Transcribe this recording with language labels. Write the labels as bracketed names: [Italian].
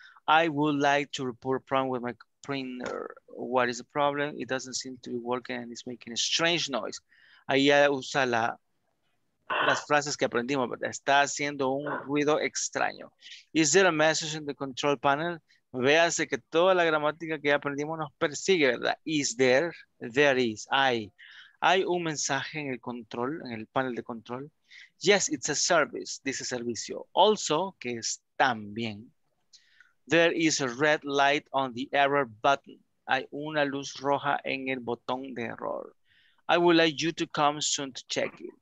[English] I would like to report a problem with my printer. What is the problem? It doesn't seem to be working and it's making a strange noise. [Spanish] Ahí ya usa la, las frases que aprendimos, ¿verdad? Está haciendo un ruido extraño. [English] Is there a message in the control panel? [Spanish] Véase que toda la gramática que ya aprendimos nos persigue, ¿verdad? [English] Is there? There is. [Spanish] Hay. Hay un mensaje en el control, en el panel de control. [English] Yes, it's a service, [Spanish] dice servicio. [English] Also, [Spanish] que es también. [English] There is a red light on the error button. [Spanish] Hay una luz roja en el botón de error. [English] I would like you to come soon to check it.